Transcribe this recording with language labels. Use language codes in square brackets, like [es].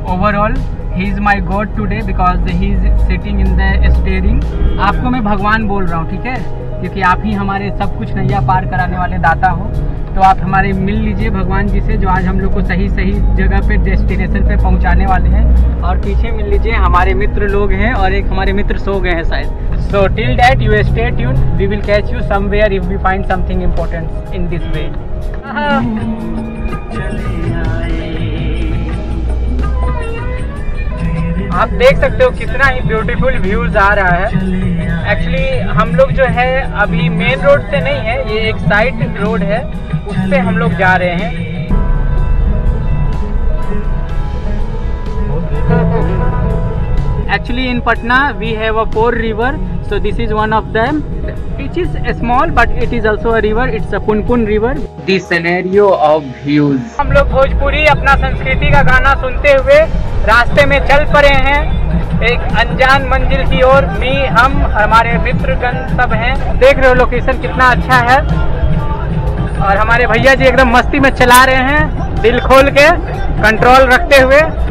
[en] Overall, he is my god today because he is sitting in the steering. [hi] आपको मैं भगवान बोल रहा हूँ, ठीक है? क्योंकि आप ही हमारे सब कुछ नैया पार कराने वाले दाता हो. तो आप हमारे मिल लीजिए भगवान जी से, जो आज हम लोग को सही सही जगह पे डेस्टिनेशन पे पहुँचाने वाले हैं. और पीछे मिल लीजिए, हमारे मित्र लोग हैं, और एक हमारे मित्र सो गए हैं शायद. [en] So till that you stay tuned, we will catch you somewhere if we find something important in this way. [hi] आप देख सकते हो कितना ही ब्यूटीफुल व्यूज आ रहा है. एक्चुअली हम लोग जो है अभी मेन रोड से नहीं है, ये एक साइड रोड है, उससे हम लोग जा रहे हैं. [en] Actually in Patna we have a four river, so this is one of them. It is small, but it is also a river. It's a Punpun river. The scenario of views. [hi] हम लोग भोजपुरी अपना संस्कृति का गाना सुनते हुए रास्ते में चल पड़े हैं एक अनजान मंजिल की ओर. मी, हम, हमारे मित्रगण सब हैं. देख रहे हो लोकेशन कितना अच्छा है, और हमारे भैया जी एकदम मस्ती में चला रहे हैं, दिल खोल के कंट्रोल रखते हुए.